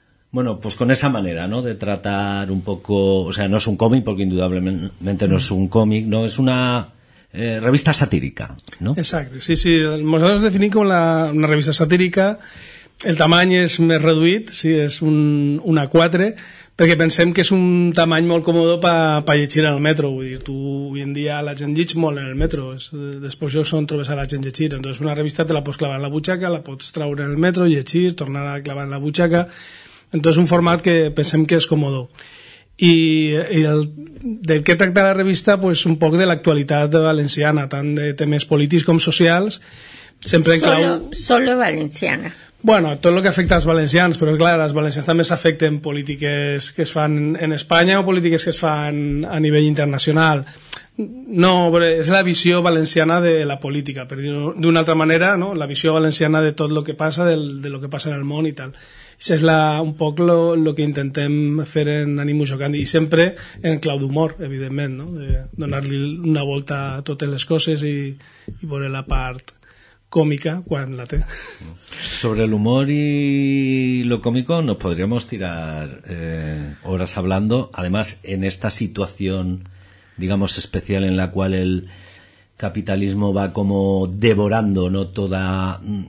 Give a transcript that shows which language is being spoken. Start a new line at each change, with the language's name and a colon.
Spanish: bueno, pues con esa manera, ¿no? De tratar un poco... O sea, no es un cómic, porque indudablemente no es un cómic, ¿no? Es una revista satírica, ¿no? Exacto, sí, sí. Nosotros definimos como la, una revista satírica. El tamaño es
Catalan: més reduït, sí, és un A4, perquè pensem que és un tamany molt còmode per llegir en el metro. Vull dir, tu, avui en dia, la gent llegeix molt en el metro. És, després jo són trobes a la gent llegir. Entonces, una revista te la pots clavar en la butxaca, la pots traure en el metro, llegir, tornar a clavar en la butxaca... Entonces, un format que pensem que és còmode. I el, del que tracta la revista, pues, un poc de l'actualitat valenciana, tant de temes polítics com socials, sempre en clau...
Spanish: Solo valenciana.
Catalan: Bueno, tot el que afecta als valencians, però, clar, als valencians també s'afecten polítiques que es fan en Espanya o polítiques que es fan a nivell internacional. No, però és la visió valenciana de la política, per dir-ho d'una altra manera, no? La visió valenciana de tot el que passa, de lo que passa en el món i tal. Això és la, un poc el que intentem fer en Animus Jocandi i sempre en clau d'humor, evidentment, no? De donar-li una volta a totes les coses i veure la part còmica quan la té.
Spanish: Sobre l'humor i lo cómico nos podríamos tirar horas hablando, además en esta situación, digamos, especial en la cual el capitalismo va como devorando, ¿no? Toda...